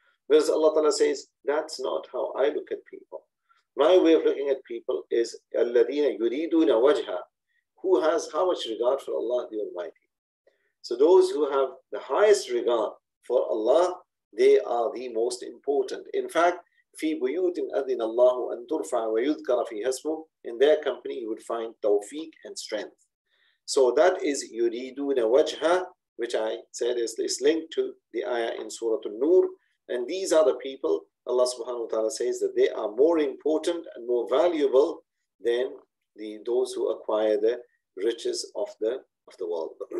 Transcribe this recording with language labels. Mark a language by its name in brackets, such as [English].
[English] Whereas Allah Ta'ala says, that's not how I look at people. My way of looking at people is [Arabic] الَّذِينَ يُرِيدُونَ وَجْهَ. [English] Who has how much regard for Allah the Almighty? So those who have the highest regard for Allah, they are the most important. In fact, [Arabic] فِي بُيُوتٍ أَذِنَ اللَّهُ أَن تُرْفَعَ وَيُذْكَرَ فِي هَسْمُ. [English] In their company, you would find tawfiq and strength. So that is [Arabic] يُرِيدُونَ وَجْهَ, [English] which I said is linked to the ayah in Surah An-Nur. And these are the people, Allah subhanahu wa ta'ala says that they are more important and more valuable than those who acquire the riches of the world.